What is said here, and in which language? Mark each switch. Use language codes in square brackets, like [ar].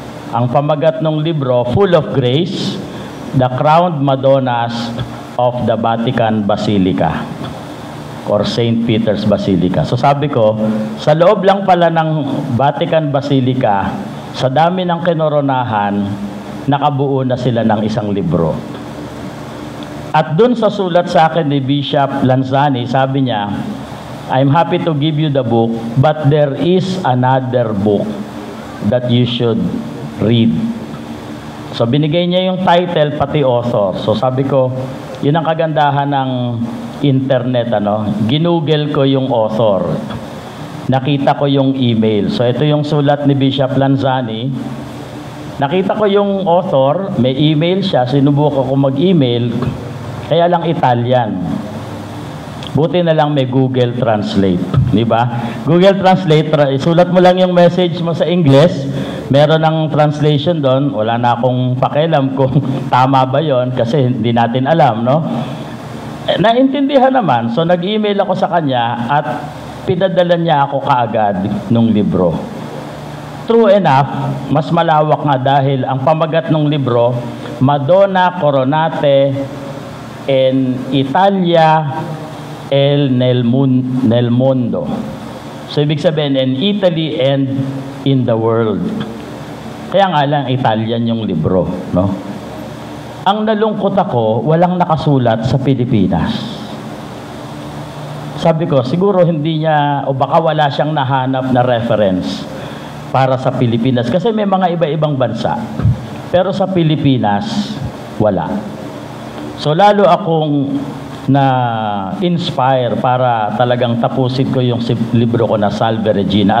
[tl] Ang pamagat ng libro, Full of Grace, The Crowned Madonnas of the Vatican Basilica or St. Peter's Basilica. So sabi ko, sa loob lang pala ng Vatican Basilica, sa dami ng kinoronahan, nakabuo na sila ng isang libro. At dun sa sulat sa akin ni Bishop Lanzani, sabi niya, [en] I'm happy to give you the book, but there is another book that you should read. [tl] So binigay niya yung title pati author. So sabi ko, yun ang kagandahan ng internet, ano? Ginugel ko yung author. Nakita ko yung email. So ito yung sulat ni Bishop Lanzani. Nakita ko yung author, may email siya, sinubukan ko mag-email, kaya lang Italian. Buti na lang may Google Translate, di ba? Google Translate, isulat mo lang yung message mo sa English, meron ng translation doon, wala na akong pakialam kung tama ba yon, kasi hindi natin alam, no? Naintindihan naman, so nag-email ako sa kanya at pinadala niya ako kaagad nung libro. [en] True enough, [tl] mas malawak nga dahil ang pamagat ng libro, Madonna Coronate in Italia el nel mondo. So ibig sabihin, [en] in Italy and in the world. [tl] Kaya nga lang, Italian yung libro, no? Ang nalungkot ako, walang nakasulat sa Pilipinas. Sabi ko, siguro hindi niya, o baka wala siyang nahanap na reference para sa Pilipinas. Kasi may mga iba-ibang bansa. Pero sa Pilipinas, wala. So lalo akong na-inspire para talagang tapusin ko yung libro ko na Salve Regina.